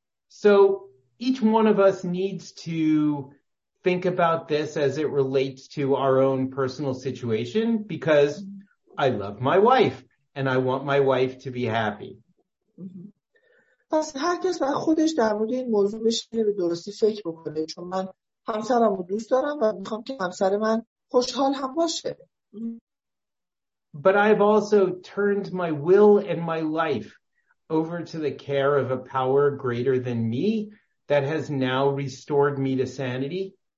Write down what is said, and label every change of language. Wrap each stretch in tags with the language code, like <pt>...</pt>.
<en>So each one of us needs to think about this as it relates to our own personal situation, because I love my wife and I want my wife to be happy.</en> <fa>پس هر کس باید خودش در مورد این موضوع بشینه به درستی فکر بکنه، چون من همسرم رو دوست دارم و میخوام که همسر من خوشحال هم باشه.</fa> <en>But I've also turned my will and my life over to the care of a power greater than me that has now restored me to sanity.</en>